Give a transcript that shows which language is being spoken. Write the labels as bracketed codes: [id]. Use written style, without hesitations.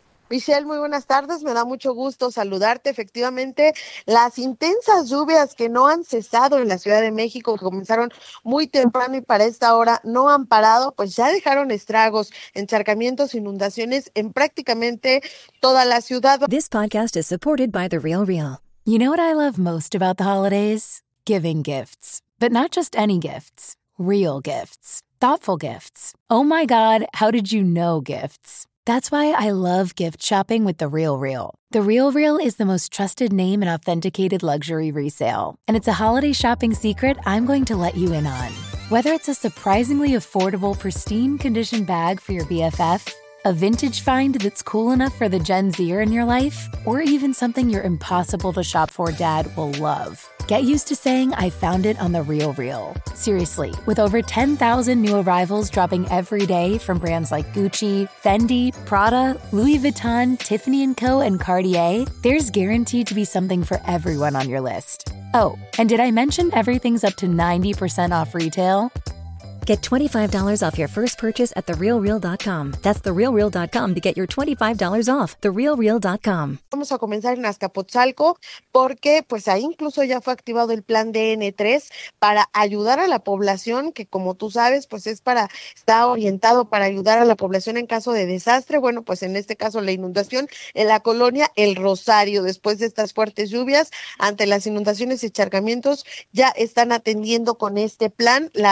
[es] Michelle, muy buenas tardes, me da mucho gusto saludarte. Efectivamente, las intensas lluvias que no han cesado en la Ciudad de México, que comenzaron muy temprano y para esta hora no han parado, pues ya dejaron estragos, encharcamientos, inundaciones en prácticamente toda la ciudad. [en] This podcast is supported by The Real Real. You know what I love most about the holidays? Giving gifts. But not just any gifts, real gifts. Thoughtful gifts. Oh my God, how did you know gifts? That's why I love gift shopping with The Real Real. The Real Real is the most trusted name in authenticated luxury resale. And it's a holiday shopping secret I'm going to let you in on. Whether it's a surprisingly affordable, pristine condition bag for your BFF, a vintage find that's cool enough for the Gen Zer in your life, or even something your impossible to shop for dad will love. Get used to saying, I found it on The Real Real. Seriously, with over 10,000 new arrivals dropping every day from brands like Gucci, Fendi, Prada, Louis Vuitton, Tiffany & Co., and Cartier, there's guaranteed to be something for everyone on your list. Oh, and did I mention everything's up to 90% off retail? Get $25 off your first purchase at TheRealReal.com. That's TheRealReal.com to get your $25 off. TheRealReal.com. [es] Vamos a comenzar en Azcapotzalco porque pues ahí incluso ya fue activado el plan DN3 para ayudar a la población, que como tú sabes, pues está orientado para ayudar a la población en caso de desastre. Bueno, pues en este caso la inundación en la colonia El Rosario, después de estas fuertes lluvias, ante las inundaciones y encharcamientos, ya están atendiendo con este plan